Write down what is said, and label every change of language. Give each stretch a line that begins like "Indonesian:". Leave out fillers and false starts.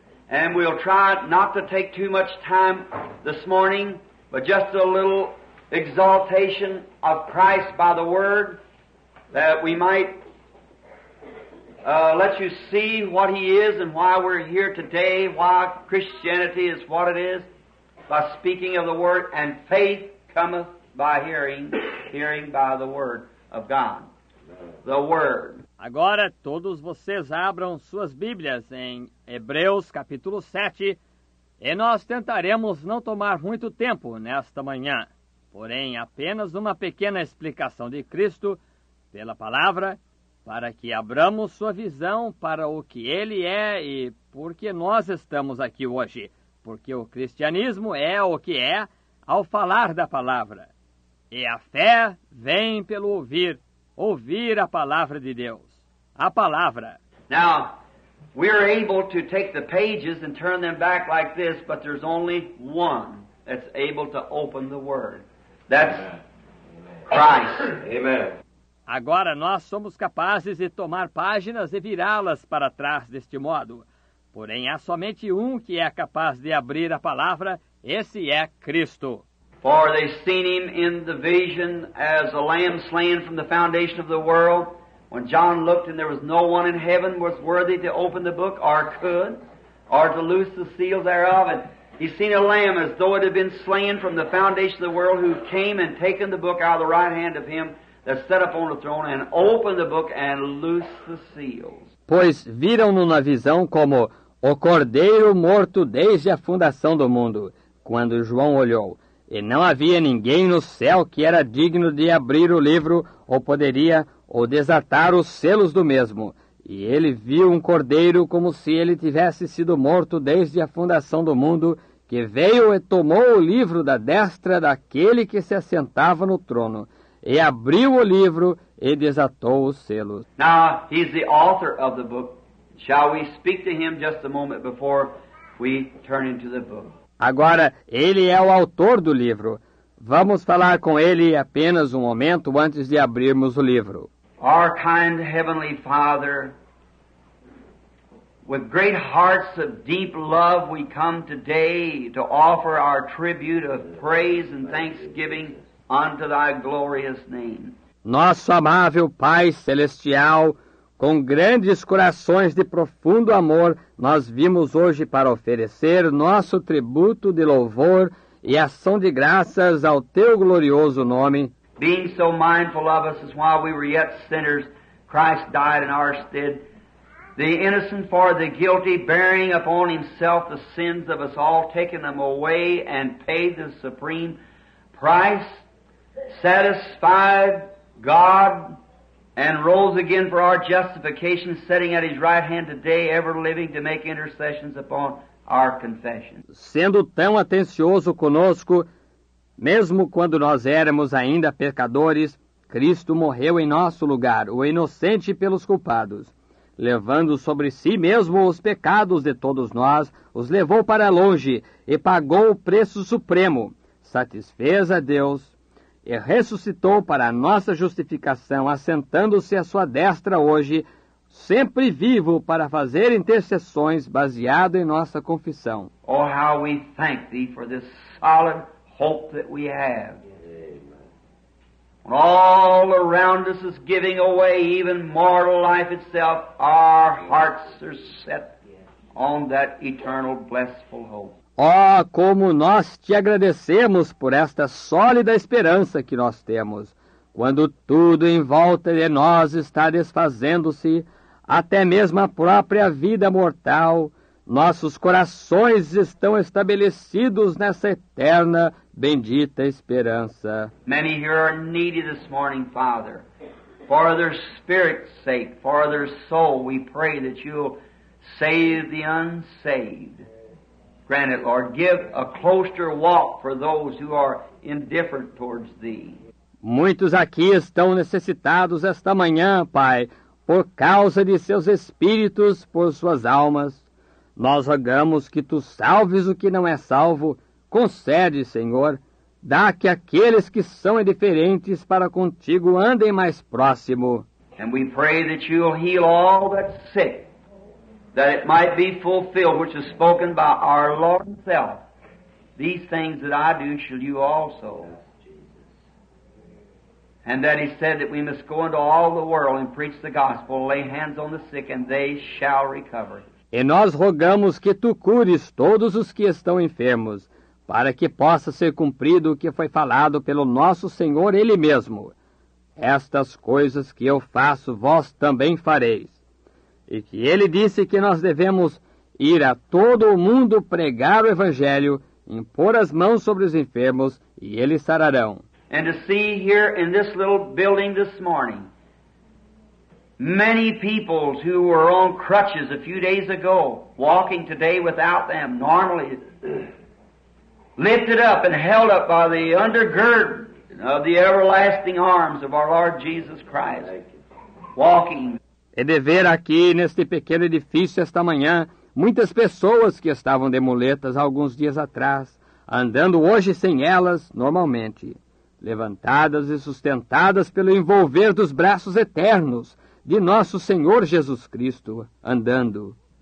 English: And we'll try not to take too much time this morning, but just a little exaltation of Christ by the Word, that we might let you see what He is and why we're here today, why Christianity is what it is, by speaking of the Word, and faith cometh by hearing, hearing by the Word of God. The Word.
Portuguese: Agora, todos vocês abram suas Bíblias em Hebreus, capítulo 7, e nós tentaremos não tomar muito tempo nesta manhã, porém apenas uma pequena explicação de Cristo pela palavra, para que abramos sua visão para o que Ele é e por que nós estamos aqui hoje, porque o cristianismo é o que é ao falar da palavra. E a fé vem pelo ouvir, ouvir a palavra de Deus, a palavra.
English: Now, we're able to take the pages and turn them back like this, but there's only one that's able to open the Word. That's Christ. Amen.
Portuguese: Agora nós somos capazes de tomar páginas e virá-las para trás deste modo. Porém, há somente um que é capaz de abrir a palavra, esse é Cristo.
English: For they seen him in the vision as a lamb slain from the foundation of the world. When John looked and there was no one in heaven was worthy to open the book or could or to loose the seal thereof. And he seen a lamb as though it had been slain from the foundation of the world who came and taken the book out of the right hand of him that sat upon the throne and opened the book and loosed the seals.
Portuguese: Pois viram-no na visão como o cordeiro morto desde a fundação do mundo, quando João olhou. E não havia ninguém no céu que era digno de abrir o livro ou poderia ou desatar os selos do mesmo. E ele viu um cordeiro como se ele tivesse sido morto desde a fundação do mundo, que veio e tomou o livro da destra daquele que se assentava no trono, e abriu o livro e desatou os selos.
English: Now, he's the author of the book. Shall we speak to him just a moment before we turn into the book?
Portuguese: Agora, ele é o autor do livro. Vamos falar com ele apenas um momento antes de abrirmos o livro.
English: Our kind Heavenly Father, with great hearts of deep love, we come today to offer our tribute of praise and thanksgiving unto thy glorious name.
Portuguese: Nosso amável Pai Celestial, com grandes corações de profundo amor, nós vimos hoje para oferecer nosso tributo de louvor e ação de graças ao teu glorioso nome.
English: Being so mindful of us as while we were yet sinners, Christ died in our stead. The innocent for the guilty, bearing upon himself the sins of us all, taking them away and paid the supreme price, satisfied God, and rose again for our justification, sitting at his right hand today, ever living to make intercessions upon our confession.
Portuguese: Sendo tão atencioso conosco, mesmo quando nós éramos ainda pecadores, Cristo morreu em nosso lugar, o inocente pelos culpados. Levando sobre si mesmo os pecados de todos nós, os levou para longe e pagou o preço supremo, satisfez a Deus, e ressuscitou para a nossa justificação, assentando-se à sua destra hoje, sempre vivo para fazer intercessões baseado em nossa confissão.
English: Oh, how we thank thee for this solid hope that we have. When all around us is giving away even mortal life itself, our hearts are set on that eternal blissful hope.
Portuguese: Oh, como nós te agradecemos por esta sólida esperança que nós temos. Quando tudo em volta de nós está desfazendo-se, até mesmo a própria vida mortal, nossos corações estão estabelecidos nessa eterna, bendita esperança.
English: Many here are needy this morning, Father. For their spirit's sake, for their soul, we pray that you'll save the unsaved. Grant it, Lord. Give a closer walk for those who are indifferent towards Thee.
Portuguese: Muitos aqui estão necessitados esta manhã, Pai, por causa de seus espíritos, por suas almas. Nós rogamos que Tu salves o que não é salvo. Concede, Senhor, dá que aqueles que são indiferentes para contigo andem mais próximo.
English: And we pray that you'll heal all that's sick, that it might be fulfilled, which is spoken by our Lord Himself. These things that I do shall you also. And that He said that we must go into all the world and preach the gospel, lay hands on the sick, and they shall recover.
Portuguese: E nós rogamos que Tu cures todos os que estão enfermos, para que possa ser cumprido o que foi falado pelo nosso Senhor Ele mesmo. Estas coisas que eu faço, vós também fareis. E que Ele disse que nós devemos ir a todo o mundo pregar o Evangelho, impor as mãos sobre os enfermos, e eles sararão.
English: And to see here in this little building this morning, many people who were on crutches a few days ago, walking today without them, normally lifted up and held up by the undergird of the everlasting arms of our Lord Jesus Christ, walking.
Portuguese: E de ver aqui neste pequeno edifício esta manhã, muitas pessoas que estavam de muletas alguns dias atrás, andando hoje sem elas, normalmente, levantadas e sustentadas pelo envolver dos braços eternos de nosso Senhor Jesus Cristo, andando.